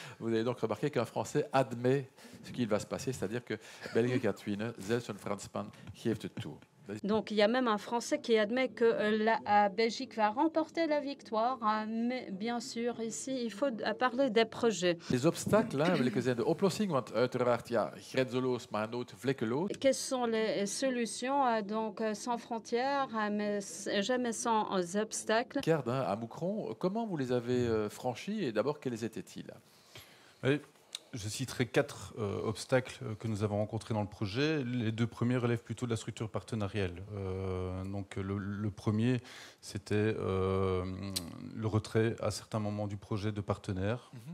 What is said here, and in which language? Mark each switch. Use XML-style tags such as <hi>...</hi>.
<fr>Vous avez donc remarqué qu'un Français admet ce qu'il va se passer, c'est-à-dire que</fr> <nl>Belgique gaat winnen, zelfs een Fransman geeft het toe.</nl> <fr>Donc, il y a même un Français qui admet que la Belgique va remporter la victoire. Mais bien sûr, ici, il faut parler des projets. Les obstacles, hein,</fr> <nl>welke zijn de oplossingen? Want uiteraard, ja, grenzeloos, maar een autre vlekkeloos.</nl> <fr>Quelles sont les solutions? Donc, sans frontières, mais jamais sans obstacles. Garde, hein, à Moucron, comment vous les avez franchis et d'abord, quels étaient-ils? Oui. Je citerai quatre obstacles que nous avons rencontrés dans le projet. Les deux premiers relèvent plutôt de la structure partenariale. Le premier, c'était le retrait à certains moments du projet de partenaires, mm-hmm.</fr>